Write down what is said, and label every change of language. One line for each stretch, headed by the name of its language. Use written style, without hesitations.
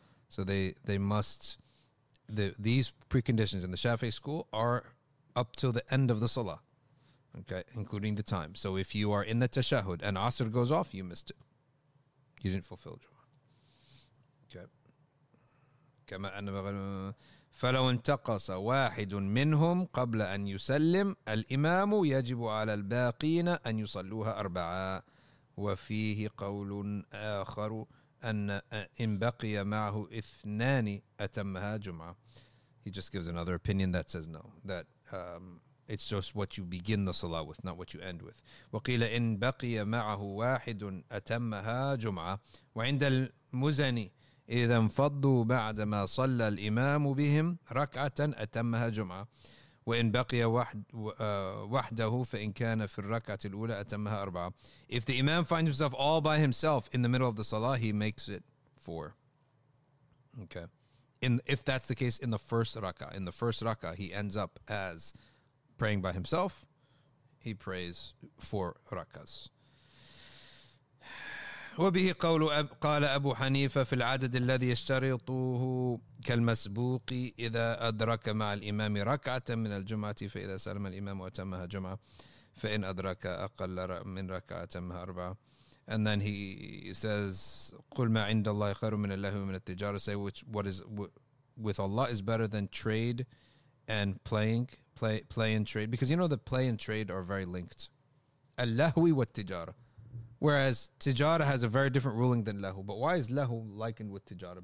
English: So they must, these preconditions in the Shafi'i school are up till the end of the salah, okay, including the time. So if you are in the tashahud and asr goes off, you missed it. You didn't fulfill Jum'ah. Okay.
Arabic: كما أن فلو انتقص واحد منهم قبل أن يسلم الإمام يجب على الباقين أن يصلوها أربعة. وفيه قول آخر أن إن بقي معه إثنان أتمها جمعة.
English: He just gives another opinion that says no, that it's just what you begin the salah with, not what you end with.
Arabic: وقيل إن بقي معه واحد أتمها جمعة. وعند المزني إذا انفضوا بعدما صلى الإمام بهم ركعة أتمها جمعة. وإن بقي وحده فإن كان في الركعة الأولى أتمها أربعة.
English: If the imam finds himself all by himself in the middle of the salah, he makes it four. Okay. If that's the case in the first raka, in the first raka, he ends up as praying by himself, he prays four rakas.
Arabic: وبه قول قال أبو حنيفة في العدد الذي يشترطه كالمسبوق إذا أدرك مع الإمام ركعة من الجمعة فإذا سلم الإمام أتمها جمعة فإن أدرك أقل من ركعة أتمها أربعة.
English: And then he says,
Arabic: قُلْ مَا عِنْدَ اللَّهِ خَيْرٌ مِنَ اللَّهِ وَمِنَ التِّجَارَةِ.
English: Say, with Allah is better than trade and playing, play and trade. Because you know that play and trade are very linked.
Arabic: اللَّهُوِ وَالتِّجَارَةِ.
English: Whereas tijara has a very different ruling than lahu. But why is lahu likened with tijara?